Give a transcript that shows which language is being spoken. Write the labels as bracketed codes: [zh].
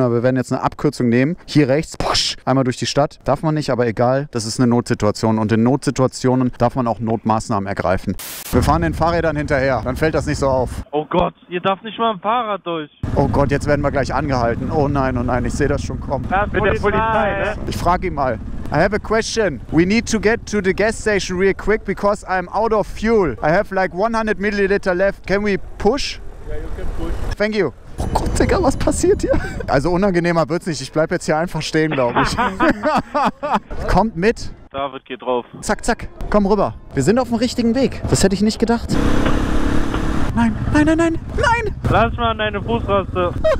[de] Aber wir werden jetzt eine Abkürzung nehmen. Hier rechts, push, einmal durch die Stadt. Darf man nicht, aber egal. Das ist eine Notsituation. Und in Notsituationen darf man auch Notmaßnahmen ergreifen. Wir fahren den Fahrrädern hinterher. Dann fällt das nicht so auf. Oh Gott, ihr darf nicht mal ein Fahrrad durch. Oh Gott, jetzt werden wir gleich angehalten. Oh nein, ich sehe das schon kommen. Mit der Polizei, ne? Ich frage ihn mal. [en] I have a question. We need to get to the gas station real quick, because I'm out of fuel. I have like 100 milliliter left. Can we push? Ja, you can push. Thank you. [de] Oh Gott, Digga, was passiert hier? Also unangenehmer wird's nicht. Ich bleib jetzt hier einfach stehen, glaube ich. Kommt mit. David, geht drauf. Zack, zack. Komm rüber. Wir sind auf dem richtigen Weg. Das hätte ich nicht gedacht. nein, nein, nein, nein, nein! Lass mal an deine Fußraste.